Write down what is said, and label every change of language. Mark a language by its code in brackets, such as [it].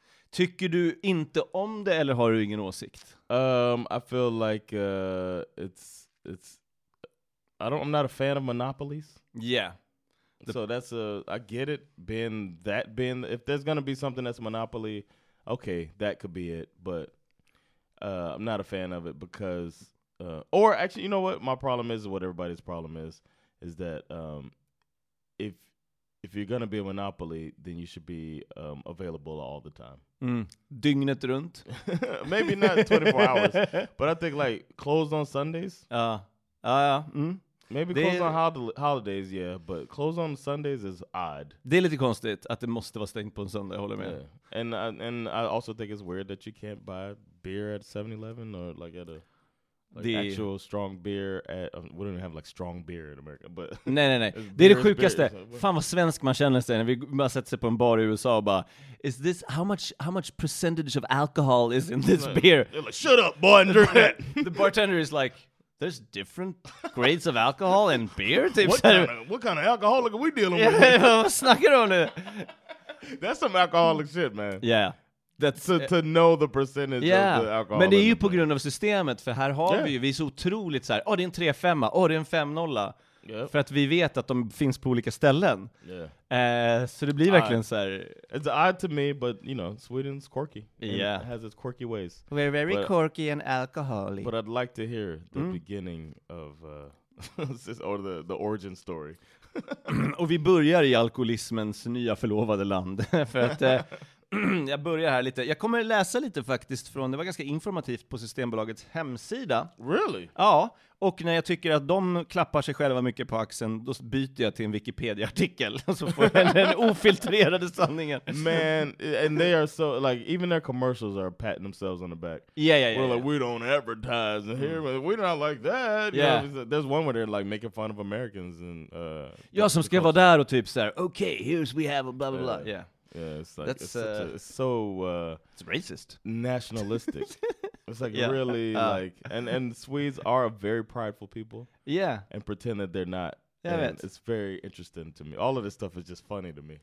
[sv] Tycker du inte om det eller har du ingen åsikt? [en] I feel like it's I'm not a fan of monopolies. Yeah. So that's I get it being if there's going to be something that's a monopoly, okay, that could be it, but I'm not a fan of it because or actually, you know what my problem is, what everybody's problem is that if you're going to be a monopoly, then you should be available all the time. [sv] Dygnet runt. [en] Maybe not 24 hours, but I think like closed on Sundays. [sv] Ja. [en] Maybe det close är, on holidays, yeah. But close on Sundays is odd. [sv] Det är lite konstigt att det måste vara stängt på en söndag, jag håller med. [en] Yeah. And I also think it's weird that you can't buy beer at 7-Eleven or like at a... Like the actual strong beer at, we don't even have like strong beer in America, but [sv] nej. Det är det sjukaste. Fan vad svensk man känner sig när vi bara sätter sig på en bar i USA och bara, [en] is this how much percentage of alcohol is in this beer? They're like, shut up, bartender. The bartender is like, there's different grades of alcohol in beer. What kind of alcoholic are we dealing with? Snack it on it. That's some alcoholic shit, man. Yeah. To know the percentage of the alcohol. [sv] Men det är ju på grund av systemet, för här har vi är så otroligt så här, det är en 3-5, det är en 5-0. Yep. För att vi vet att de finns på olika ställen. [en] Yeah. [sv] Så det blir verkligen så här. [en] It's odd to me, but you know, Sweden's quirky. Yeah. It has its quirky ways. We're very quirky and alcoholic. But I'd like to hear the beginning of or the origin story. [sv] Och vi börjar i alkoholismens nya förlovade land. För att jag börjar här lite. Jag kommer läsa lite faktiskt från, det var ganska informativt på Systembolagets hemsida. [en] Really? [sv] Ja, och när jag tycker att de klappar sig själva mycket på axeln, då byter jag till en Wikipedia-artikel. Så får jag den ofiltrerade sanningen. [en] Man, and they are so, like, even their commercials are patting themselves on the back. Yeah. We're like, we don't advertise here, but we're not like that. Yeah. You know, there's one where they're like making fun of Americans. And, [sv] ja, som ska vara där och typ så här, [en] okay, here's we have a blah, blah, blah. Yeah. Yeah, it's like, it's racist. Nationalistic. It's like really like, and Swedes are a very prideful people. Yeah. And pretend that they're not. Yeah, and it's very interesting to me. All of this stuff is just funny to me.